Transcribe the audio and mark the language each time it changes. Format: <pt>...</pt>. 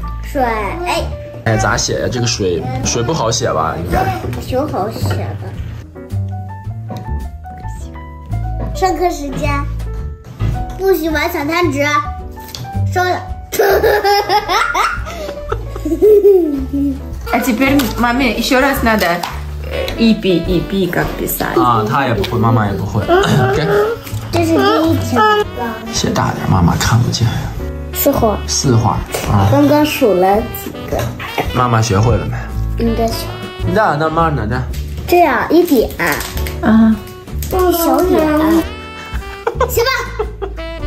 <zh>水。哎，咋写呀？这个水，水不好写吧？应该挺好写的。上课时间，不许玩小弹指，收了。</zh> <ru>А теперь маме еще раз надо и пи и пи как писать.</ru> <zh>啊，他也不会，妈妈也不会。这是第一题。写大点，妈妈看不见。四画。四画。刚刚数了几个。妈妈学会了没？应该学。你在哪？那妈呢？在。这样一点。啊。小点。行吧。</zh>